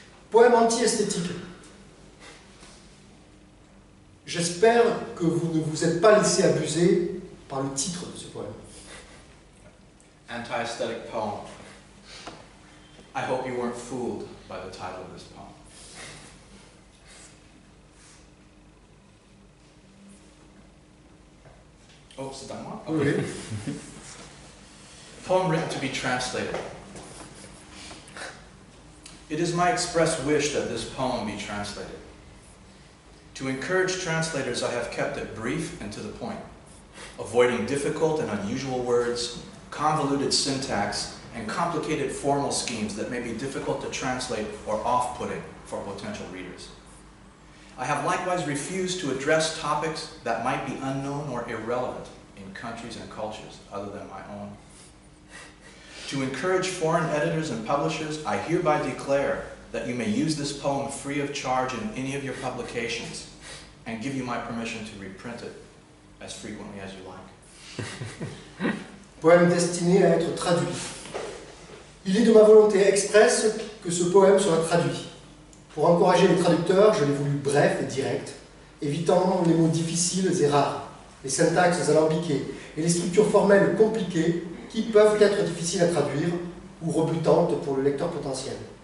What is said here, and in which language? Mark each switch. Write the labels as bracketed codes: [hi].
[fr] Poème anti-esthétique. J'espère que vous ne vous êtes pas laissé abuser par le titre de ce poème. [en] Anti-aesthetic poem. I hope you weren't fooled by the title of this poem. [fr] Oh, c'est à moi? Okay. Oui. [en] Poem written to be translated. It is my express wish that this poem be translated. To encourage translators, I have kept it brief and to the point, avoiding difficult and unusual words, convoluted syntax, and complicated formal schemes that may be difficult to translate or off-putting for potential readers. I have likewise refused to address topics that might be unknown or irrelevant in countries and cultures other than my own. To encourage foreign editors and publishers, I hereby declare that you may use this poem free of charge in any of your publications and give you my permission to reprint it as frequently as you like. [fr] Poème destiné à être traduit. Il est de ma volonté expresse que ce poème soit traduit. Pour encourager les traducteurs, je l'ai voulu bref et direct, évitant les mots difficiles et rares, les syntaxes alambiquées et les structures formelles compliquées qui peuvent être difficiles à traduire ou rebutantes pour le lecteur potentiel.